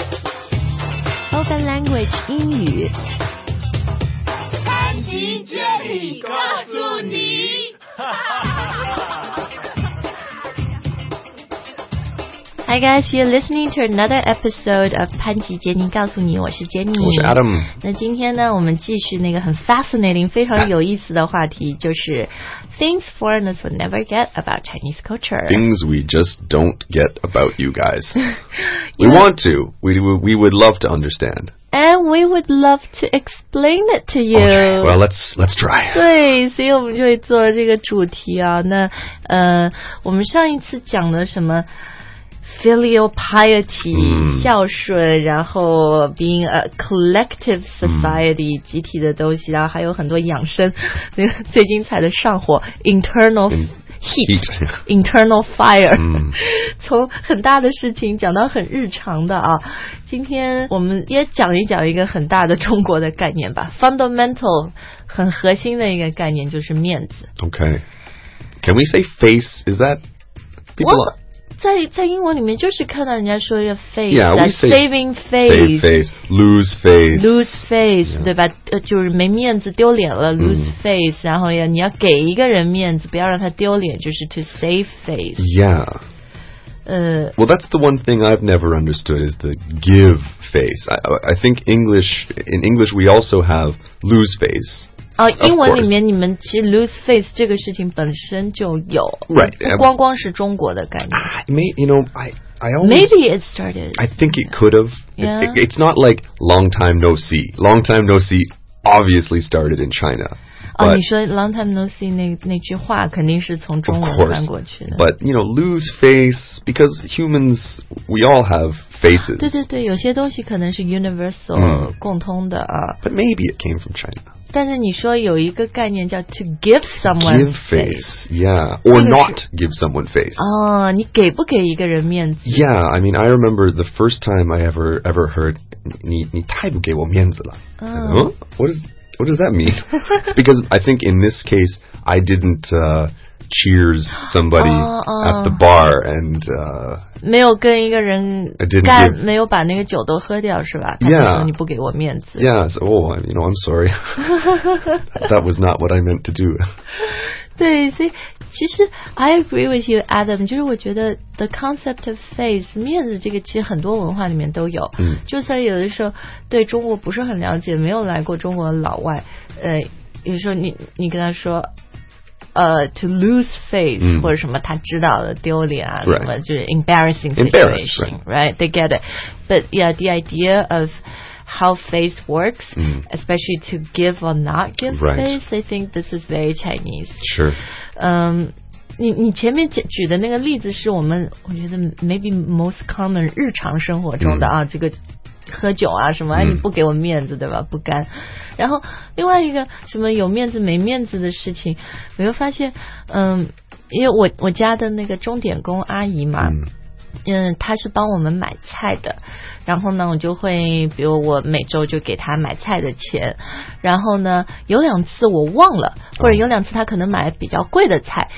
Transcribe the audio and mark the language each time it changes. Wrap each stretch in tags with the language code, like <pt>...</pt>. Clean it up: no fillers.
<zh>language 英语。潘吉这里告诉你。</zh> <en>Hi guys, you're listening to another episode of</en> <zh>潘吉杰尼告诉你，我是杰尼，我是 Adam。那今天呢，我们继续那个很 fascinating 非常有意思的话题，就是</zh> <en>Things foreigners will never get about Chinese culture. Things we just don't get about you guys. We want to. We would love to understand. And we would love to explain it to you. Okay, well, let's try.</en> <zh>对，所以我们就会做这个主题啊。那我们上一次讲了什么Filial piety,、孝顺，然后</zh> <en>being a collective society,、</en> <zh>集体的东西，然后还有很多养生，最精彩的上火 internal fire,、从很大的事情讲到很日常的啊。今天我们也讲一讲一个很大的中国的概念吧 ,fundamental, 很核心的一个概念就是面子。</zh> <en>Okay. Can we say face? Is that people?</en> <zh>在英文里面就是看到人家说一个 face,</zh> <en>yeah, that say, saving face, save face, lose face, lose face,、yeah.</en> <zh>对吧、就是没面子丢脸了、lose face, 然后你要给一个人面子不要让他丢脸就是</zh> <en>to save face. Yeah.、Well, that's the one thing I've never understood is the give face. I think in English we also have lose face.</en> <zh>英文里面你们其实 lose face 这个事情本身就有</zh> <en>right,</en> <zh>不光光是中国的概念</zh> <en>Maybe it started I think it could have、 yeah. It's not like long time no see. Long time no see obviously started in China、</en> <zh>oh, 你说</zh> <en>long time no see</en> <zh>那句话肯定是从中文翻过去的</zh> <en>But you know lose face Because humans we all have faces</en> <zh>对对对有些东西可能是 universal、共通的、</zh> <en>But maybe it came from China</en> <zh>但是你说有一个概念叫</zh> <en>to give someone give face, yeah, or not give someone face.</en> <zh>哦，你给不给一个人面子</zh> <en>？Yeah, I mean, I remember the first time I ever heard</en> <zh>你太不给我面子了。</zh> <en>What does that mean? Because I think in this case, I didn't cheers somebody at the bar and</en> <zh>没有跟一个人干</zh> <en>give,</en> <zh>没有把那个酒都喝掉是吧</zh> <en>yeah,</en> <zh>你不给我面子</zh> <en>yeah so, oh you know I'm sorry that was not what I meant to do</en> <zh>对所以其实</zh> <en>I agree with you Adam</en> <zh>就是我觉得</zh> <en>the concept of face</en> <zh>面子这个其实很多文化里面都有、就算有的时候对中国不是很了解没有来过中国的老外有时候你跟他说</zh> <en>to lose face、</en> <zh>或者什么他知道的丢脸啊、</zh> <en>right.</en> <zh>什么就是</zh> <en>embarrassing situation Embarrass, right they get it but yeah the idea of how face works、especially to give or not give、 right. face I think this is very Chinese sure</en> <zh>你前面举的那个例子是我觉得</zh> <en>maybe most common</en> <zh>日常生活中的啊、这个喝酒啊什么、你不给我面子对吧不干然后另外一个什么有面子没面子的事情我又发现因为我家的那个钟点工阿姨嘛 她是帮我们买菜的然后呢我就会比如我每周就给她买菜的钱然后呢有两次我忘了或者有两次她可能买比较贵的菜、</zh>